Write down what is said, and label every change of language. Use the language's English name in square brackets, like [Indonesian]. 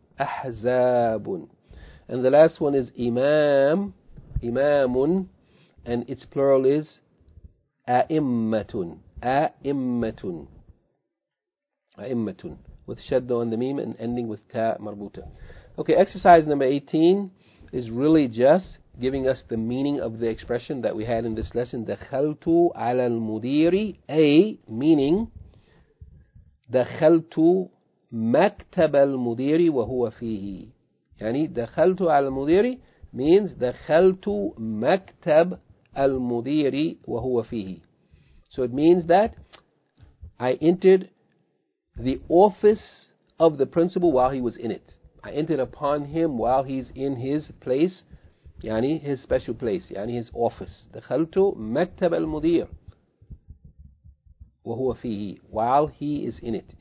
[English] Ahzabun. And the last one is imam, imamun, and its plural is a'immatun. [Arabic] A'immatun. A'immatun. [English] With shadda on the meem and ending with ta marbuta. Okay, exercise number 18 is really just giving us the meaning of the expression that we had in this lesson. [Arabic] دخلتُ على المديري, [English] A, meaning [Arabic] دخلتُ مكتب المديري وهو فيه. يعني دخلتُ على المديري [English] means [Arabic] دخلتُ مكتب المديري وهو فيه. [English] So it means that I entered the office of the principal while he was in it. I entered upon him while he's in his place, yani his special place, yani his office. [Arabic] دخلتُ مكتب المدير وهو فيه, [English] while he is in it.